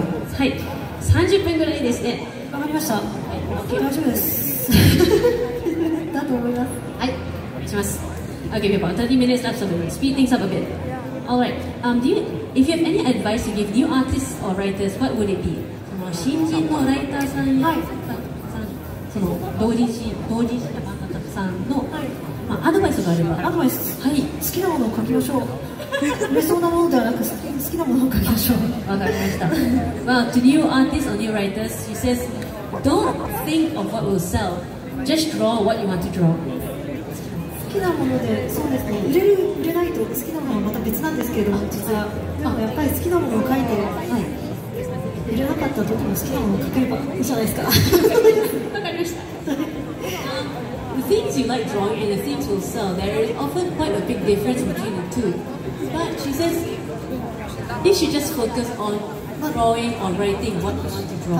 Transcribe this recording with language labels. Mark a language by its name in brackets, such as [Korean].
[Japanese] はい。30分ぐらいですね。わかりました。 [English] Okay. [Japanese] 大丈夫です。だと思います。はい。します。 [English] Okay, we have about 30 minutes left, so we'll speed things up a bit. Yeah. All right. Do you, if you have any advice to give new artists or writers, what would it be? [Japanese] その新人のライターさんや、はい、その同人誌の方さんの、はい、まあ、アドバイスがあれば。アドバイス。はい。好きなものを書きましょう。売れそうなものではなく、好きなものを書きましょう。わかりました。 [English] Well, to new artists or new writers, she says, don't think of what will sell. Just draw what you want to draw. [Japanese] 好きなもので、そうですね、売れないと好きなものはまた別なんですけれども、実はでもやっぱり好きなものを描いて、はい、売れなかったとても好きなものを描ければいいじゃないですか。わかりました。 [English] The things you like drawing and the things will sell, there is often quite a big difference between the two. But she says, you should just focus on drawing or writing what you want to draw.